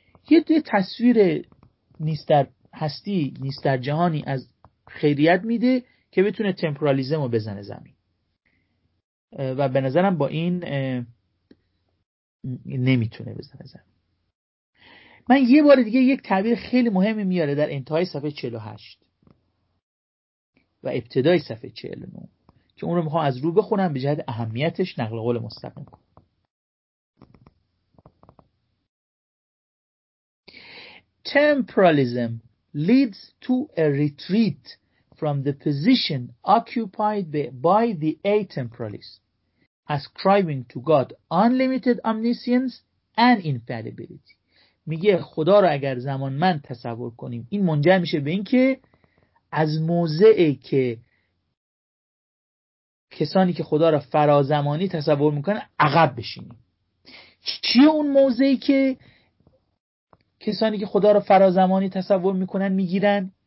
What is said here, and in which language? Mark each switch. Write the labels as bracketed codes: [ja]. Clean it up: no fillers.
[fa] یه دوی تصویر نیست در هستی، نیست در جهانی از خیریت میده که بتونه تمپورالیزم رو بزنه زمین، و به نظرم با این نمیتونه بزنه زمین. من یه بار دیگه یک تعبیر خیلی مهمی میاره در انتهای صفحه 48 و ابتدای صفحه 49 که اون رو میخوام از رو بخونم به جهت اهمیتش نقل قول مستقیم کنم. [en] Temporalism leads to a retreat from the position occupied by the atemporalist, ascribing to God unlimited omniscience and infallibility. [fa] میگه خدا رو اگر زمان من تصور کنیم، این منجر میشه به این که از موضعی که کسانی که خدا رو فرازمانی تصور میکنن عقب بشینیم. چیه اون موضعی که کسانی که خدا رو فرازمانی تصور میکنن میگیرن؟